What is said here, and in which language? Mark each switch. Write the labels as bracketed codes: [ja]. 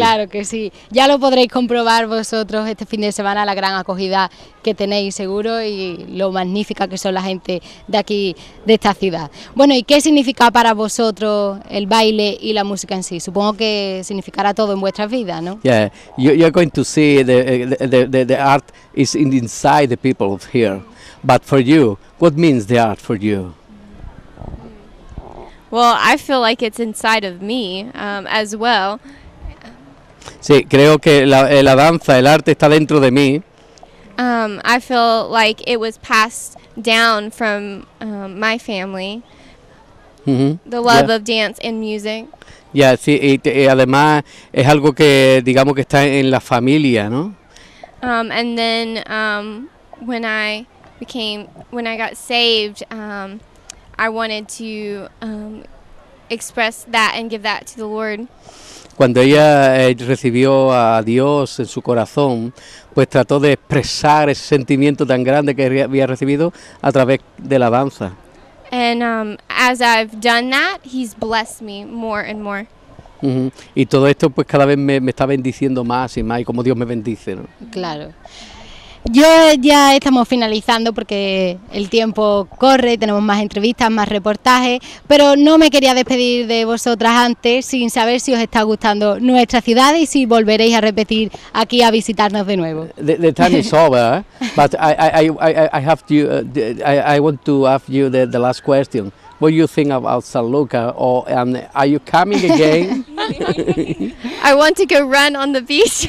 [es] Claro que sí. Ya lo podréis comprobar vosotros este fin de semana, la gran acogida que tenéis seguro y lo magnífica que son la gente de aquí, de esta ciudad. Bueno, ¿y qué significa para vosotros el baile y la música en sí? Supongo que significará todo en vuestras vidas, ¿no? [en] Yeah, you're going to see the art is inside the people of here. But for you, what means the art for you? Well, I feel like it's inside of me as well. [es] Sí, creo que la danza, el arte está dentro de mí. [en] I feel like it was passed down from my family, the love of dance and music. [es] Yeah, sí, y además es algo que digamos que está en la familia, ¿no? [en] And then when I became, when I got saved, I wanted to express that and give that to the Lord. [es] Cuando ella recibió a Dios en su corazón, pues trató de expresar ese sentimiento tan grande que había recibido a través de la danza. [en] And as I've done that, he's blessed me more and more. Uh-huh. [es] Y todo esto pues cada vez me está bendiciendo más y más, y como Dios me bendice, ¿no? Claro. Yo ya estamos finalizando porque el tiempo corre, tenemos más entrevistas, más reportajes, pero no me quería despedir de vosotras antes sin saber si os está gustando nuestra ciudad y si volveréis a repetir aquí a visitarnos de nuevo. [en] The time is over, but I want to ask you the last question. What do you think about San Luca, or and are you coming again? I want to go run on the beach.